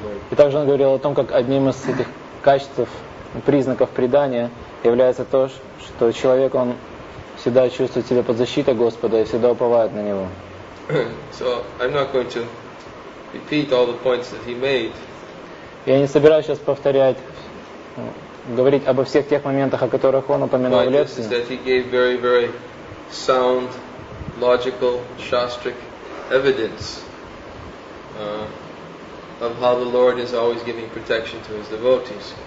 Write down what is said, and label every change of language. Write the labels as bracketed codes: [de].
[ru] И также он говорил о том, как одним из этих качеств, признаков предания является то, что человек, он всегда чувствует себя под защитой Господа и всегда уповает на Него. [en] So I'm not going to repeat all the points that he made. [ru] Я не собираюсь сейчас повторять, говорить обо всех тех моментах, о которых он упоминал в лекции. [en] That he gave very, very sound, logical, shastric evidence. Of how the Lord is always giving protection to his devotees.